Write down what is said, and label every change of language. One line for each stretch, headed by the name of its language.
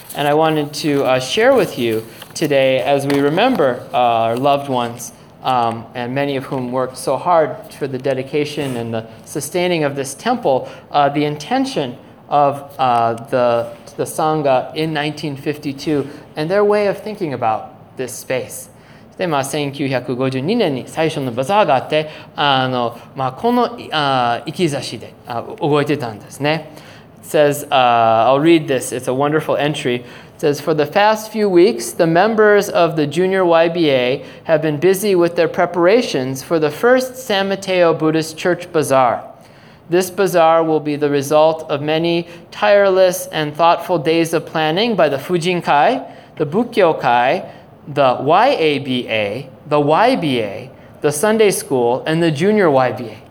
English: And I wanted to share with you today as we remember our loved ones, and many of whom worked so hard for the dedication and the sustaining of this temple, the intention of the Sangha in 1952 and their way of thinking about this space.
Japanese: で、まあ、1952年に最初のバザーがあって、あの、まあ、この、生き差しで、動いてたんですね。
English: It says, I'll read this, it's a wonderful entry. It says, for the past few weeks, the members of the Junior YBA have been busy with their preparations for the first San Mateo Buddhist Church Bazaar. This bazaar will be the result of many tireless and thoughtful days of planning by the Fujinkai, the Bukkyokai, the YABA, the YBA, the Sunday School, and the Junior YBA.